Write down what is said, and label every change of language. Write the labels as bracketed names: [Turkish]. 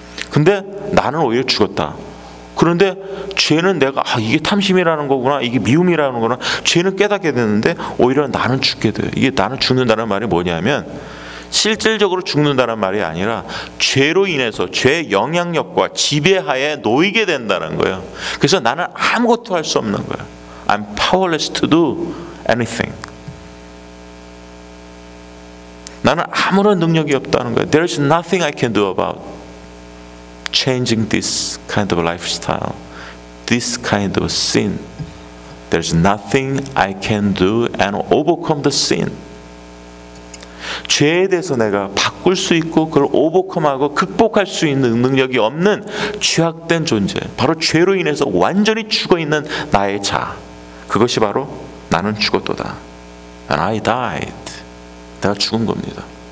[Korean] 근데 나는 오히려 죽었다. 그런데 죄는 내가, 아, 이게 탐심이라는 거구나, 이게 미움이라는 거구나, 죄는 깨닫게 되는데 오히려 나는 죽게 돼요. 이게 나는 죽는다는 말이 뭐냐면, 실질적으로 죽는다는 말이 아니라 죄로 인해서 죄의 영향력과 지배하에 놓이게 된다는 거예요. 그래서 나는 아무것도 할 수 없는 거예요. [English] I'm powerless to do anything. [Korean] 나는 아무런 능력이 없다는 거예요. [English] There is nothing I can do about changing this kind of lifestyle, this kind of sin. There's nothing I can do and overcome the sin. [Korean] 죄에 대해서 내가 바꿀 수 있고 그걸 오버컴하고 극복할 수 있는 능력이 없는 취약된 존재, 바로 죄로 인해서 완전히 죽어있는 나의 자, 그것이 바로 나는 죽었도다. [English] And I died. [Korean] 내가 죽은 겁니다.